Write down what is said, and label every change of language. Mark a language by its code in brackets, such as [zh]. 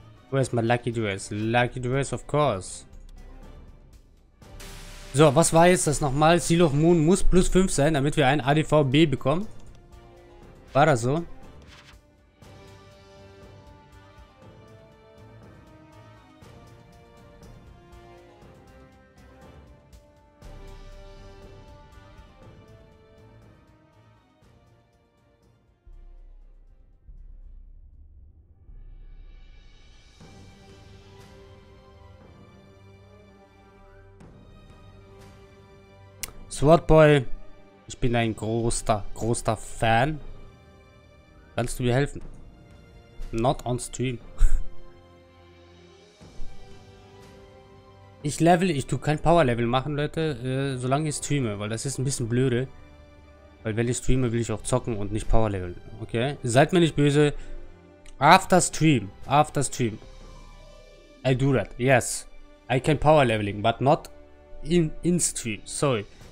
[en] Where's my lucky dress? Lucky dress, of course. [de] So, was war jetzt das nochmal? Seal of Moon muss plus 5 sein, damit wir ein ADVB bekommen. War das so? Swordboy, ich bin ein großer Fan. Kannst du mir helfen? [en] Not on stream. [de] Ich tue kein Power Level machen, Leute, solange ich streame, weil das ist ein bisschen blöde. Weil wenn ich streame, will ich auch zocken und nicht Power Level. Okay, seid mir nicht böse. [en] After stream. I do that, yes. I can Power Leveling, but not in stream, sorry.